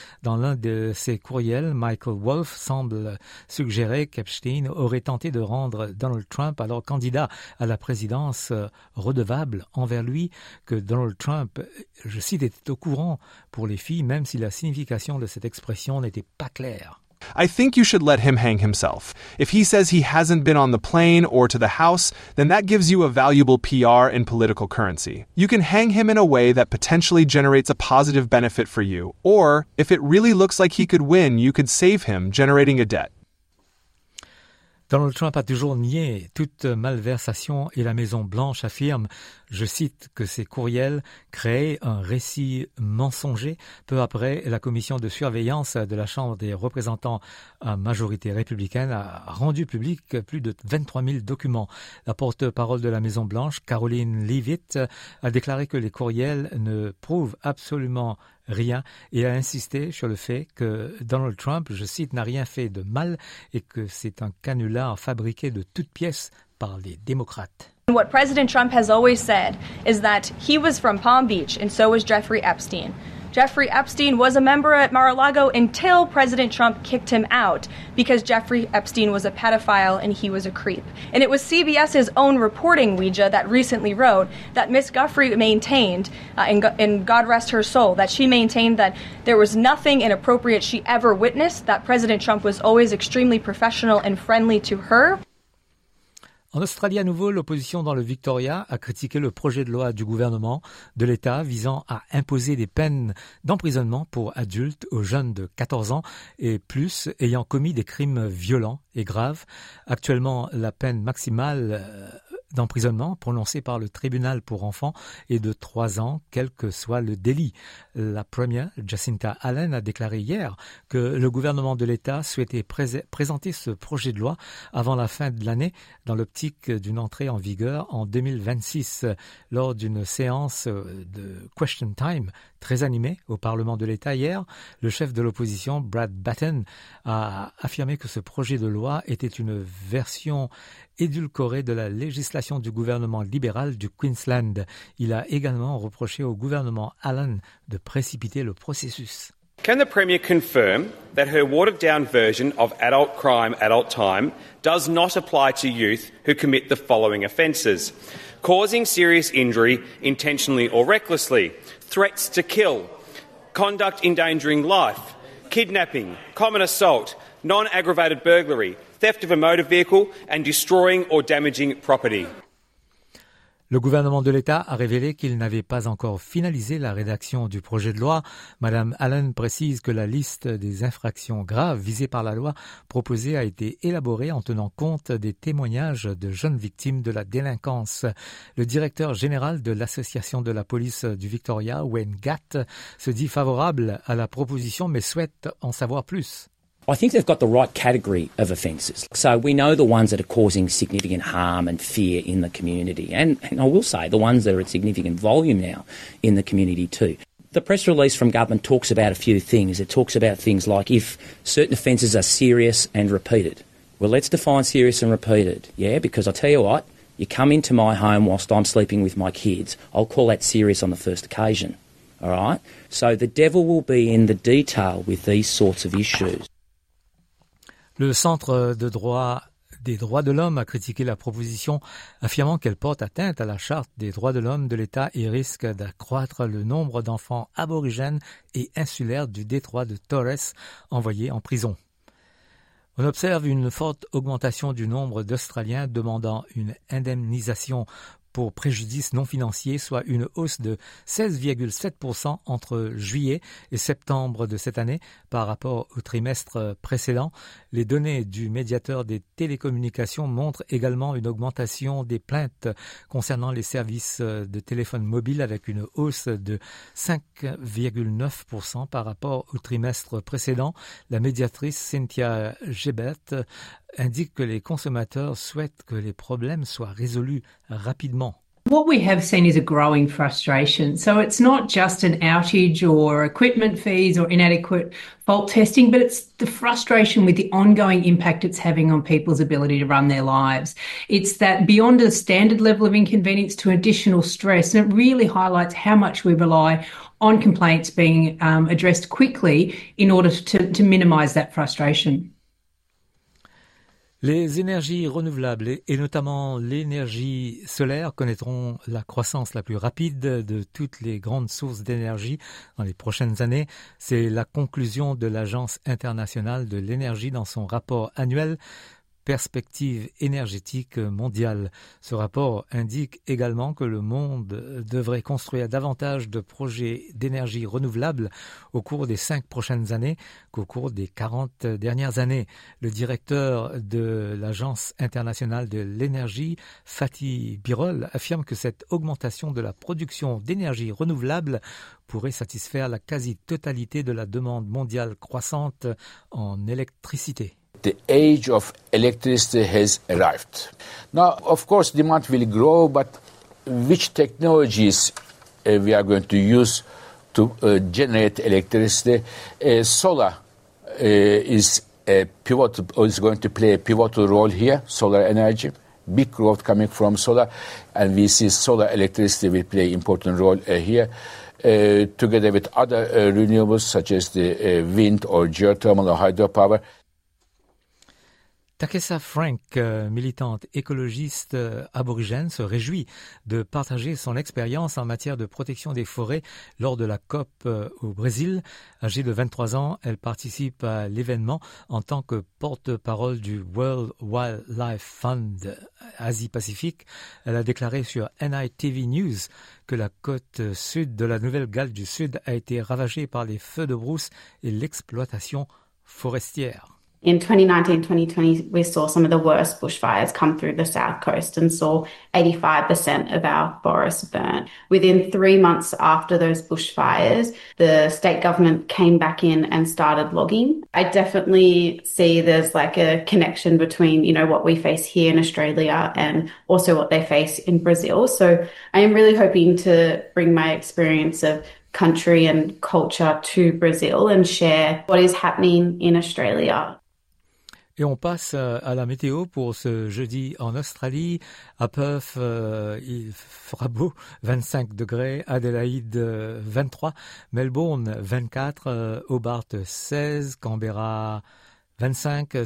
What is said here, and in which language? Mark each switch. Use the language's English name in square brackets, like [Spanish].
[French] Dans l'un de ses courriels, Michael Wolff semble suggérer qu'Epstein aurait tenté de rendre Donald Trump, alors candidat à la présidence, redevable envers lui, que Donald Trump, je cite, était au courant pour les filles, même si la signification de cette expression n'était pas claire. [English] I think you should let him hang himself. If he says he hasn't been on the plane or to the house, then that gives you a valuable PR and political currency. You can hang him in a way that potentially generates a positive benefit for you. Or, if it really looks like he could win, you could save him, generating a debt. [French] Donald Trump a toujours nié toute malversation et la Maison Blanche affirme, je cite, que ses courriels créaient un récit mensonger. Peu après, la commission de surveillance de la Chambre des représentants à majorité républicaine a rendu public plus de 23 000 documents. La porte-parole de la Maison Blanche, Caroline Leavitt, a déclaré que les courriels ne prouvent absolument rien et a insisté sur le fait que Donald Trump, je cite, n'a rien fait de mal et que c'est un canular fabriqué de toutes pièces par les démocrates. [English] What President Trump has always said is that he was from Palm Beach and so was Jeffrey Epstein. Jeffrey Epstein was a member at Mar-a-Lago until President Trump kicked him out because Jeffrey Epstein was a pedophile and he was a creep. And it was CBS's own reporting, Ouija, that recently wrote that Ms. Guffrey maintained, and God rest her soul, that she maintained that there was nothing inappropriate she ever witnessed, that President Trump was always extremely professional and friendly to her. [French] En Australie, à nouveau, l'opposition dans le Victoria a critiqué le projet de loi du gouvernement de l'État visant à imposer des peines d'emprisonnement pour adultes aux jeunes de 14 ans et plus ayant commis des crimes violents et graves. Actuellement, la peine maximale d'emprisonnement prononcée par le tribunal pour enfants est de 3 ans, quel que soit le délit. La première, Jacinta Allen, a déclaré hier que le gouvernement de l'État souhaitait présenter ce projet de loi avant la fin de l'année dans l'optique d'une entrée en vigueur en 2026. Lors d'une séance de Question Time très animée au Parlement de l'État hier, le chef de l'opposition, Brad Batten, a affirmé que ce projet de loi était une version édulcoré de la législation du gouvernement libéral du Queensland. Il a également reproché au gouvernement Allen de précipiter le processus. [English] Can the Premier confirm that her watered-down version of adult crime, adult time, does not apply to youth who commit the following offences? Causing serious injury, intentionally or recklessly, threats to kill, conduct endangering life, kidnapping, common assault, non-aggravated burglary, theft of a motor vehicle and destroying or damaging property. [French] Le gouvernement de l'État a révélé qu'il n'avait pas encore finalisé la rédaction du projet de loi. Madame Allen précise que la liste des infractions graves visées par la loi proposée a été élaborée en tenant compte des témoignages de jeunes victimes de la délinquance. Le directeur général de l'Association de la police du Victoria, Wayne Gatt, se dit favorable à la proposition mais souhaite en savoir plus. [English] I think they've got the right category of offences. So we know the ones that are causing significant harm and fear in the community. And I will say the ones that are at significant volume now in the community too. The press release from government talks about a few things. It talks about things like if certain offences are serious and repeated. Well, let's define serious and repeated. Yeah, because I tell you what, you come into my home whilst I'm sleeping with my kids, I'll call that serious on the first occasion. All right? So the devil will be in the detail with these sorts of issues. [French] Le Centre de droit des droits de l'homme a critiqué la proposition, affirmant qu'elle porte atteinte à la Charte des droits de l'homme de l'État et risque d'accroître le nombre d'enfants aborigènes et insulaires du détroit de Torres envoyés en prison. On observe une forte augmentation du nombre d'Australiens demandant une indemnisation pour préjudice non financier, soit une hausse de 16,7% entre juillet et septembre de cette année par rapport au trimestre précédent. Les données du médiateur des télécommunications montrent également une augmentation des plaintes concernant les services de téléphone mobile avec une hausse de 5,9% par rapport au trimestre précédent. La médiatrice Cynthia Gebert indique que les consommateurs souhaitent que les problèmes soient résolus rapidement. [English] What we have seen is a growing frustration. So it's not just an outage or equipment fees or inadequate fault testing, but it's the frustration with the ongoing impact it's having on people's ability to run their lives. It's that beyond a standard level of inconvenience to additional stress, and it really highlights how much we rely on complaints being addressed quickly in order to minimize that frustration. [French] Les énergies renouvelables et notamment l'énergie solaire connaîtront la croissance la plus rapide de toutes les grandes sources d'énergie dans les prochaines années. C'est la conclusion de l'Agence internationale de l'énergie dans son rapport annuel Perspective énergétique mondiale. Ce rapport indique également que le monde devrait construire davantage de projets d'énergie renouvelable au cours des 5 prochaines années qu'au cours des 40 dernières années. Le directeur de l'Agence internationale de l'énergie, Fatih Birol, affirme que cette augmentation de la production d'énergie renouvelable pourrait satisfaire la quasi-totalité de la demande mondiale croissante en électricité. [English] The age of electricity has arrived. Now, of course, demand will grow, but which technologies we are going to use to generate electricity? Solar is going to play a pivotal role here, solar energy. Big growth coming from solar, and we see solar electricity will play an important role here. Together with other renewables, such as the wind or geothermal or hydropower. [French] Takessa Frank, militante écologiste aborigène, se réjouit de partager son expérience en matière de protection des forêts lors de la COP au Brésil. Âgée de 23 ans, elle participe à l'événement en tant que porte-parole du World Wildlife Fund Asie-Pacifique. Elle a déclaré sur NITV News que la côte sud de la Nouvelle-Galles du Sud a été ravagée par les feux de brousse et l'exploitation forestière. [English] In 2019-2020, we saw some of the worst bushfires come through the south coast and saw 85% of our forests burn. Within 3 months after those bushfires, the state government came back in and started logging. I definitely see there's like a connection between, you know, what we face here in Australia and also what they face in Brazil. So I am really hoping to bring my experience of country and culture to Brazil and share what is happening in Australia. [French] Et on passe à la météo pour ce jeudi en Australie. À Perth, il fera beau, 25 degrés. Adélaïde, 23. Melbourne, 24. Hobart, 16. Canberra, 25.